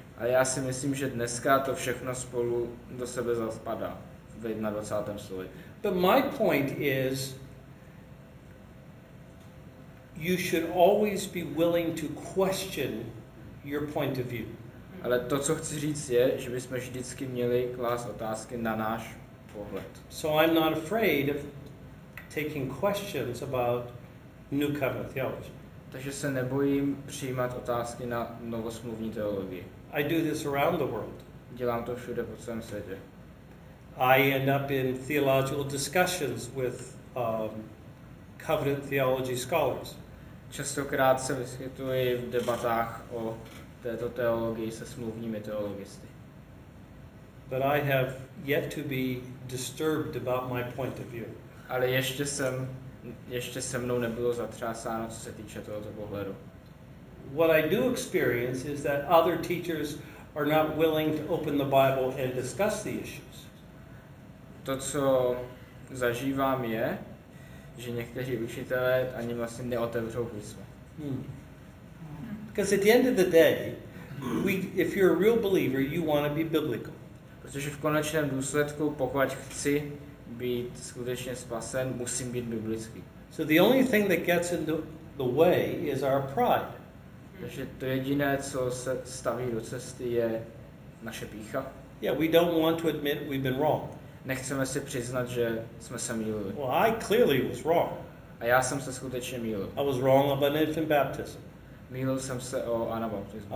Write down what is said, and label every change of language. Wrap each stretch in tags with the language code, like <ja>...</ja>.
<cs>A já si myslím, že dneska to všechno spolu do sebe zapadá v 21. století.</cs> <en>But my point is, you should always be willing to question your point of view.</en> <cs>Ale to, co chci říct, je, že bychom vždycky měli klást otázky na náš pohled.</cs> <en>So I'm not afraid of taking questions about New Covenant theology.</en> <cs>Takže se nebojím přijímat otázky na novosmluvní teologii.</cs> <en>I do this around the world.</en> <cs>Dělám to všude po celém světě.</cs> <en>I end up in theological discussions with Covenant theology scholars.</en> <cs>Častokrát se vyskytuji v debatách o této teologii se smluvními teologisty.</cs> <en>But I have yet to be disturbed about my point of view.</en> <cs>Ale ještě se mnou nebylo zatřásáno, co se týče tohoto pohledu.</cs> <en>What I do experience is that other teachers are not willing to open the Bible and discuss the issues.</en> <cs>To, co zažívám, je, že někteří učitelé ani vlastně neotevřou písmo.</cs> <en>Because at the end of the day, if you're a real believer, you want to be biblical.</en> <cs>Protože v konečném důsledku, pokud chci být skutečně spasen, musím být biblický.</cs> <en>So the only thing that gets in the way is our pride.</en> <cs>Takže to jediné, co se staví do cesty, je naše pícha.</cs> <en>Yeah, we don't want to admit we've been wrong.</en> <cs>Nechceme si přiznat, že jsme se mýlili.</cs> <en>Well, I clearly was wrong.</en> <cs>A já jsem se skutečně mýlil.</cs> <en>I was wrong about infant baptism.</en> <cs>Mýlil jsem se o anabaptismu.</cs>